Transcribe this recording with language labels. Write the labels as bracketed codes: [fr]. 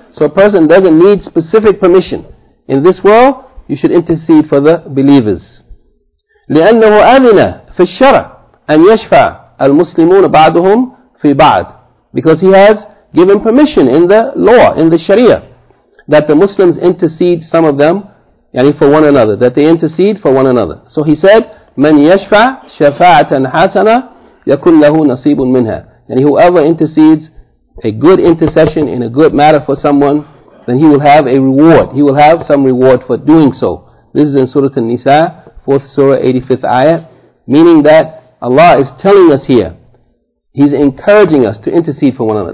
[en] So a person doesn't need specific permission. In this world, you should intercede for the believers. [ar] لِأَنَّهُ أَذِنَ فِي الشَّرَعِ أَنْ يَشْفَعَ الْمُسْلِمُونَ بَعْدُهُمْ فِي بَعْدٍ. [en] Because he has given permission in the law, in the Sharia, that the Muslims intercede, some of them, yani for one another, that they intercede for one another. So he said, [ar] من يشفع شفاعة حسنة يكون له نصيب منها. [en] And whoever intercedes a good intercession in a good matter for someone, then he will have a reward. He will have some reward for doing so. This is in Surah An-Nisa, 4th Surah, 85th Ayah. Meaning that Allah is telling us here, he's encouraging us to intercede for one another.